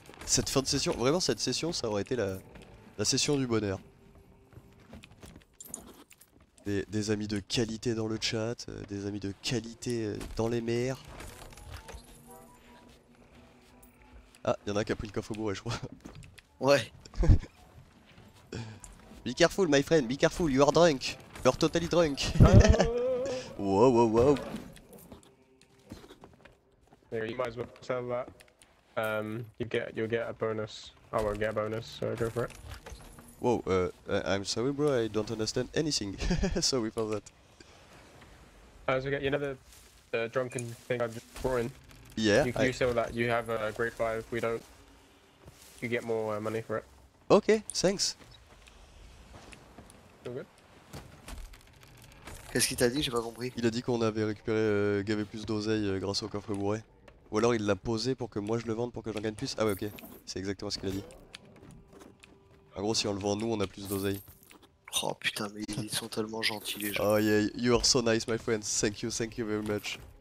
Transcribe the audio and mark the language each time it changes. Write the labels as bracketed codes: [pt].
[fr] Cette fin de session, vraiment cette session, ça aurait été la session du bonheur. Des amis de qualité dans le chat, des amis de qualité dans les mers. Ah, y'en a un qui a pris le coffre au bourré, je crois. Ouais. [en] Be careful my friend, be careful, you are drunk. You are totally drunk. Wow wow wow. There, you might as well sell that. You'll get a bonus. I won't get a bonus, so go for it. Whoa, I'm sorry bro, I don't understand anything. Sorry for that. You know the drunken thing I'm just drawing? Yeah, You sell that, you have a grade 5, we don't. You get more money for it. Okay, thanks. All good? [fr] Qu'est-ce qu'il t'a dit? J'ai pas compris. Il a dit qu'on avait récupéré, gavé plus d'oseille grâce au coffre bourré. Ou alors il l'a posé pour que moi je le vende pour que j'en gagne plus. Ah ouais, ok, c'est exactement ce qu'il a dit. En gros, si on le vend nous, on a plus d'oseille. Oh putain, mais ils sont tellement gentils les gens. [en] Oh yeah, you are so nice my friend, thank you very much.